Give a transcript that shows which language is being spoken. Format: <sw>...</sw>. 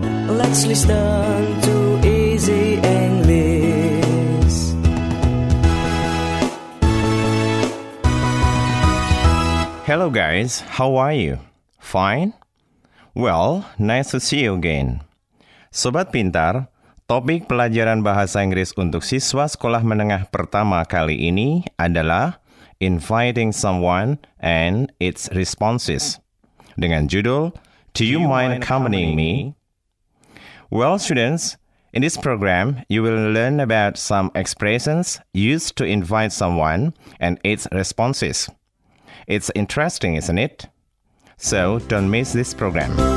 <en>Let's listen to easy English. Hello guys, how are you? Fine? Well, nice to see you again.</en> <id>Sobat Pintar, topik pelajaran bahasa Inggris untuk siswa sekolah menengah pertama kali ini adalah</id> <en>Inviting Someone and Its Responses</en> <id>dengan judul</id> <en>Do you mind coming me? Well, students, in this program, you will learn about some expressions used to invite someone and its responses. It's interesting, isn't it? So, don't miss this program.</en>